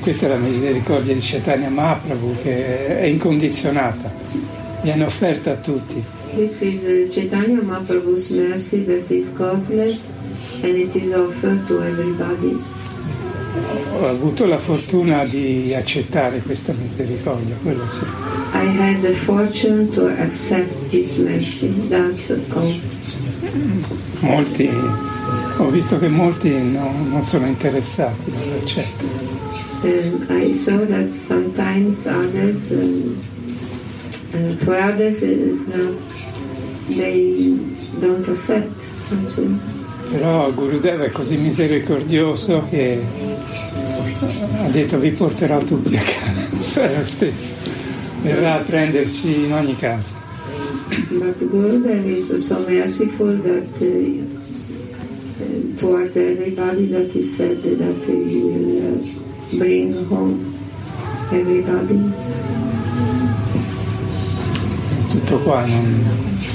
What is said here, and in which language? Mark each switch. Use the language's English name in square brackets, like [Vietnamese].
[Italian] Questa è la misericordia di Chaitanya Mahaprabhu, che è incondizionata. Viene offerta a tutti. [English] This is Chaitanya Mahaprabhu's mercy that is causeless and it is offered to everybody. [Italian] Ho avuto la fortuna di accettare questa misericordia, quello sì. [English] I had the fortune to accept this mercy, that's all. [Italian] Molti Ho visto che molti non sono interessati, non lo accettano. [English] I saw that sometimes others, for others it is not, they don't accept. [Italian] Però Gurudev è così misericordioso che ha detto vi porterò tutti a casa, lo stesso, verrà a prenderci in ogni caso. [English] But Gurudev is so merciful that towards everybody that he said that he will bring home everybody. [Italian] Tutto qua non...